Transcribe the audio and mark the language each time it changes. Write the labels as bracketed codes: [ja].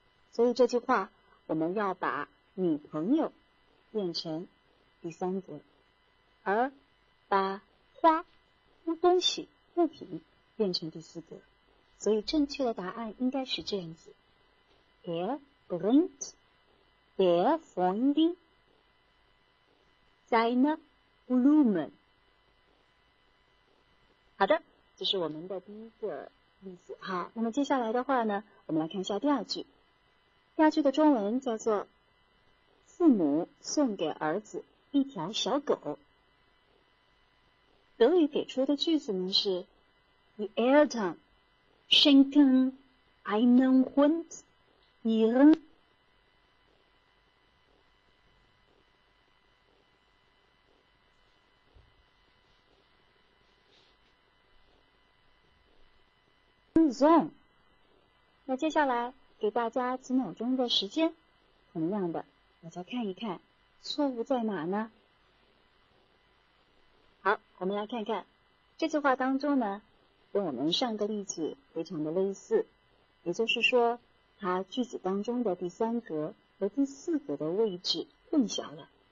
[zh] 所以这句话我们要把女朋友变成第三格，而把花东西物品变成第四格，所以正确的答案应该是这样子 [de] Er bringt der Freundin seine Blumen。 [zh] 好的，这是我们的第一个例子。好，那么接下来的话呢我们来看一下第二句。第二句的中文叫做父母送给儿子一条小狗。德语给出的句子呢是 [de] Die Eltern schenken einen Hund ihren Sohn。 [zh] 那接下来给大家几秒钟的时间，怎么样的，大家看一看错误在哪呢？好，我们来看看这句话当中呢，跟我们上个例子非常的类似，也就是说它句子当中的第三格和第四格的位置混淆了。